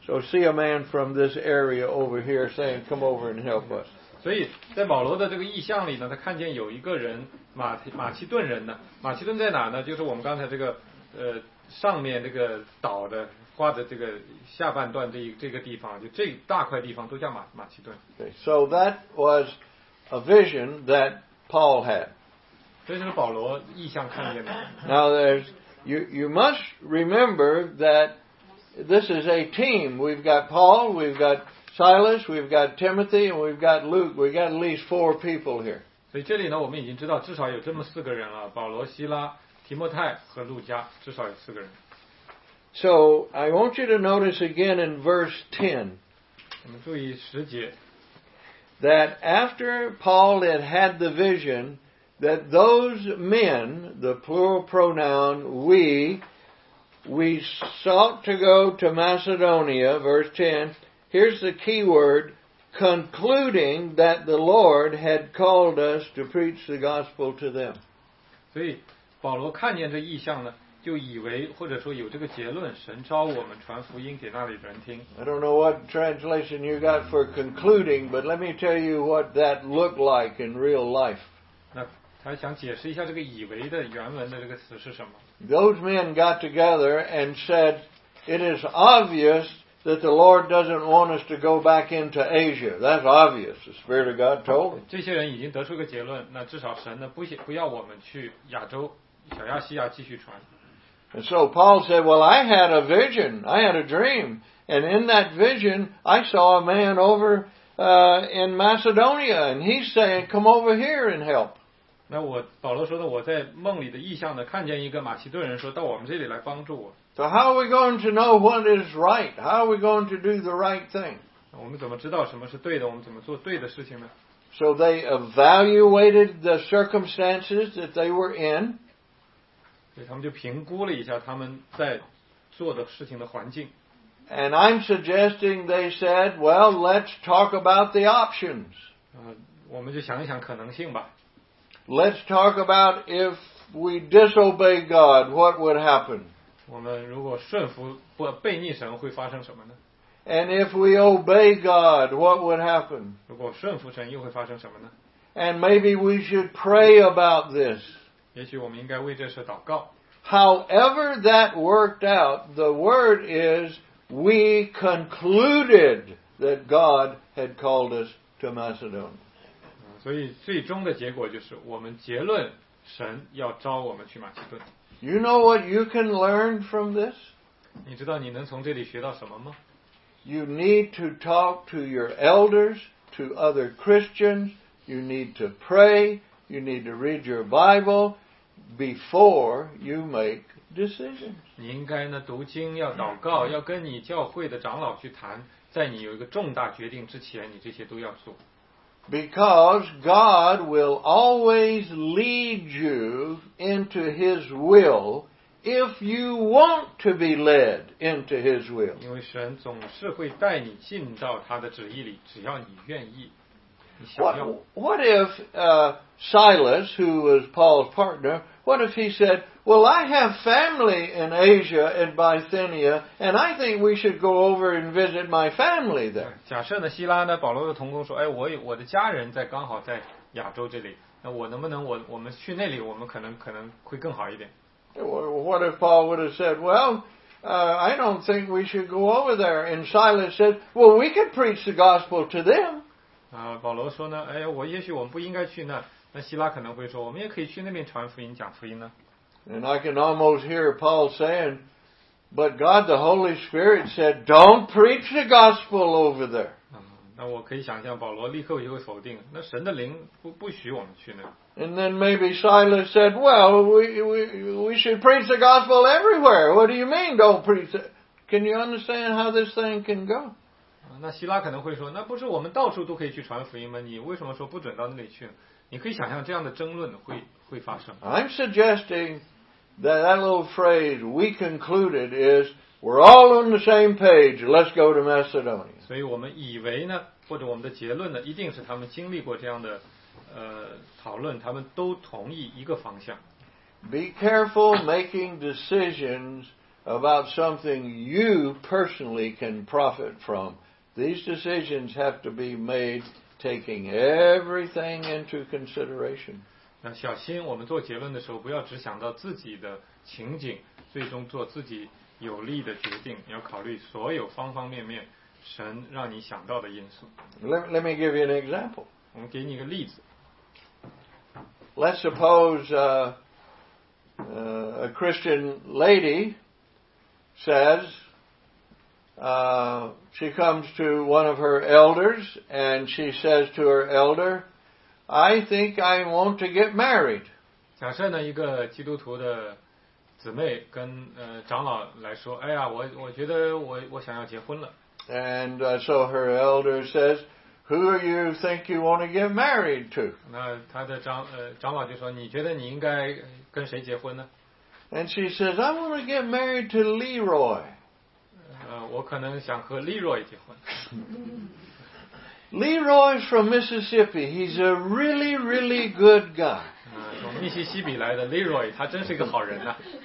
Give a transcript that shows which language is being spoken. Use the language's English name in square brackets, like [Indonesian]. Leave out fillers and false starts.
[English] So see a man from this area over here saying, come over and help us. [Chinese] 所以在保罗的这个意象里呢，他看见有一个人，马其顿人呢。马其顿在哪呢？就是我们刚才这个上面这个岛的画的这个下半段这个地方，就这大块地方都叫马其顿。 [English] Okay, so that was a vision that Paul had. [Chinese] 这就是保罗异象看见的。 [English] Now you must remember that this is a team. We've got Paul, we've got Silas, we've got Timothy, and we've got Luke. We've got at least four people here. [Chinese] 所以这里呢，我们已经知道至少有这么四个人了：保罗、希拉、提摩太和路加，至少有四个人。 [English] So, I want you to notice again in verse 10, [Chinese] 我们注意十节, [English] that after Paul had the vision, that those men, the plural pronoun, we sought to go to Macedonia, verse 10, here's the key word, concluding that the Lord had called us to preach the gospel to them. [Chinese] 所以保罗看见这异象呢，就以为或者说有这个结论，神召我们传福音给那里的人听。 [English] I don't know what translation you got for concluding, but let me tell you what that looked like in real life. [Chinese] 那他想解释一下这个以为的原文的这个词是什么。 [English] Those men got together and said, it is obvious that the Lord doesn't want us to go back into Asia. That's obvious. The Spirit of God told them. [Chinese] 这些人已经得出个结论，那至少神呢不要我们去亚洲小亚细亚继续传。 [English] And so Paul said, well, I had a vision, I had a dream, and in that vision, I saw a man over in Macedonia, and he's saying, come over here and help. [Chinese] 那我保罗说的，我在梦里的异象呢，看见一个马其顿人说到我们这里来帮助我。 [English] So how are we going to know what is right? How are we going to do the right thing? [Chinese] 我们怎么知道什么是对的？我们怎么做对的事情呢？ [English] So they evaluated the circumstances that they were in. [Chinese] 所以他们就评估了一下他们在做的事情的环境。 [English] And I'm suggesting they said, well, let's talk about the options. [Chinese] 我们就想一想可能性吧。 [English] Let's talk about if we disobey God, what would happen? [Chinese] 我们如果顺服不背逆神会发生什么呢？ [English] And if we obey God, what would happen? [Chinese] 如果顺服神又会发生什么呢？ [English] And maybe we should pray about this. [Chinese] 也许我们应该为这事祷告。 [English] However that worked out, the word is we concluded that God had called us to Macedonia. [Chinese] 所以最终的结果就是我们结论神要召我们去马其顿。 [English] You know what you can learn from this? [Chinese] 你知道你能从这里学到什么吗？ [English] You need to talk to your elders, to other Christians. You need to pray. You need to read your Bible before you make decisions. [Chinese] 你应该呢读经，要祷告，要跟你教会的长老去谈，在你有一个重大决定之前，你这些都要做。 [English] Because God will always lead you into His will if you want to be led into His will. [Chinese] 因为神总是会带你进到他的旨意里，只要你愿意，你想要。 [English] What if Silas, who was Paul's partner, what if he said, well, I have family in Asia and Bithynia, and I think we should go over and visit my family there. [Chinese] 假设呢，希拉呢，保罗的同工说，哎，我的家人在刚好在亚洲这里，那我能不能我们去那里，我们可能会更好一点。 [English] What if Paul would have said, well, I don't think we should go over there. And Silas said, well, we could preach the gospel to them. [Chinese] 保罗说呢，哎，我也许我们不应该去那。那希拉可能会说，我们也可以去那边传福音，讲福音呢。 [English] And I can almost hear Paul saying, but God the Holy Spirit said, don't preach the gospel over there. [Chinese] 那我可以想象保罗立刻就会否定，那神的灵不许我们去呢。 [English] And then maybe Silas said, well, we should preach the gospel everywhere. What do you mean, don't preach it? Can you understand how this thing can go? [Chinese] 那希拉可能会说，那不是我们到处都可以去传福音吗？你为什么说不准到那里去呢？你可以想象这样的争论会发生。 [English] I'm suggesting that little phrase we concluded is we're all on the same page. Let's go to Macedonia. [Chinese] 所以我们以为呢，或者我们的结论呢，一定是他们经历过这样的讨论，他们都同意一个方向。 [English] Be careful making decisions about something you personally can profit from. These decisions have to be made. Taking everything into consideration. [Chinese] 那小心，我们做结论的时候，不要只想到自己的情景，最终做自己有利的决定。要考虑所有方方面面，神让你想到的因素。 [English] Let me give you an example. [Chinese] 我们给你一个例子。 [English] Let's suppose a Christian lady says. She comes to one of her elders and she says to her elder, I think I want to get married. [Chinese] 假设呢，一个基督徒的姊妹跟长老来说，哎呀，我觉得我想要结婚了。 [English] And so her elder says, Who do you think you want to get married to? [Chinese] 那他的长老就说，你觉得你应该跟谁结婚呢？ [English] And she says, I want to get married to Leroy. [Chinese] 我可能想和 Leroy 结婚。 [English] Leroy's from Mississippi. He's a really, really good guy. [Chinese] 从密西西比来的 Leroy, 他真是个好人啊。